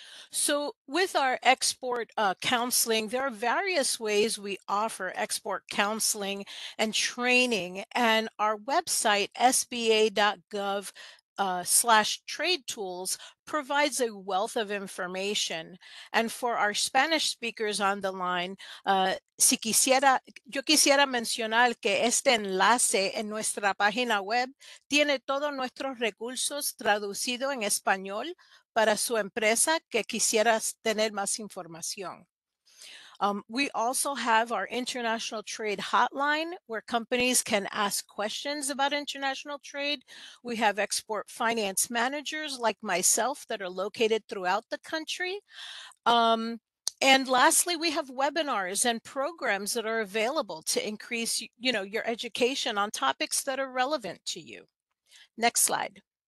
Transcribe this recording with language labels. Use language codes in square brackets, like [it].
[en] So with our export counseling, there are various ways we offer export counseling and training, and our website sba.gov/trade tools provides a wealth of information. And for our Spanish speakers on the line, [es] yo quisiera mencionar que este enlace en nuestra página web tiene todos nuestros recursos traducido en español para su empresa que quisiera tener más información. [en] We also have our international trade hotline where companies can ask questions about international trade. We have export finance managers like myself that are located throughout the country. And lastly, we have webinars and programs that are available to increase, you know, your education on topics that are relevant to you. Next slide.